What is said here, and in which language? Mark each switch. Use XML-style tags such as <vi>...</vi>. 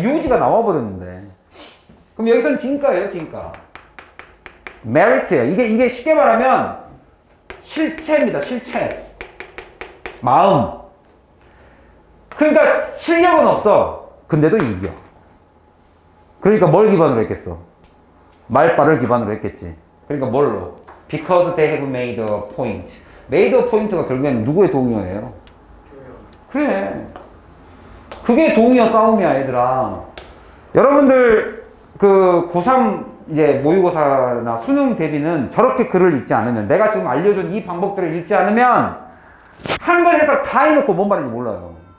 <ko>유지가 나와버렸는데. 그럼 여기서는 진가예요, 진가. 메리트예요. 이게 쉽게 말하면 실체입니다, 실체. 마음. 그러니까 실력은 없어. 근데도 이겨. 그러니까 뭘 기반으로 했겠어? 말발을 기반으로 했겠지. 그러니까 뭘로?</ko> <en>Because they have made a point.</en> <ko>Made a point가 결국엔 누구의 동의어예요? 그래. 그게 동의어 싸움이야, 얘들아. 여러분들, 그, 고3, 이제, 모의고사나 수능 대비는 저렇게 글을 읽지 않으면, 내가 지금 알려준 이 방법들을 읽지 않으면, 한글 해석 다 해놓고 뭔 말인지 몰라요.</ko>